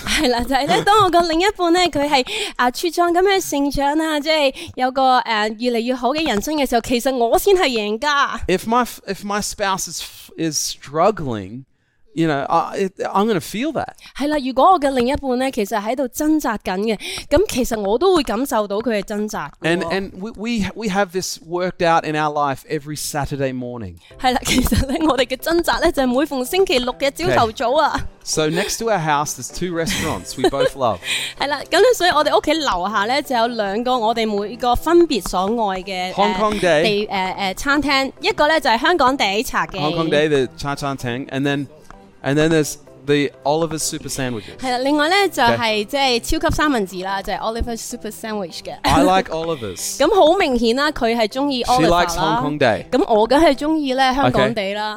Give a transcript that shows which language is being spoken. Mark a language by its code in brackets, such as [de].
[yue] 系啦，就系咧，当我个另一半咧，佢系茁壮咁样成长啦，即系有个越嚟越好嘅人生嘅时候，其实我先系赢家。 [en] If my spouse is struggling, you know, I'm going to feel that. [yue] 系啦，如果我嘅另一半咧，其实喺度挣扎紧嘅，咁其实我都会感受到佢嘅挣扎。 [en] And we have this worked out in our life every Saturday morning. [yue] 系啦，其实咧，我哋嘅挣扎咧就系每逢星期六嘅朝头早啊。 [en] So next to our house, there's two restaurants we both love. [yue] 系啦，咁咧，所以我哋屋企楼下咧就有两个我哋每个分别所爱嘅 [en] Hong Kong Day [yue] 餐厅，一个咧就系香港地茶记 [en] Hong Kong Day [yue] 的茶餐厅 [en] and then there's the Oliver's Super Sandwiches. [yue] 系啦，另外咧就系即系超级三文治啦，就系 Oliver's Super Sandwich 嘅 [en] I like Oliver's. [yue] 咁好明显啦，佢系中意 Oliver 啦。 [en] She likes Hong Kong Day. [yue] 咁我梗系中意咧香港地啦。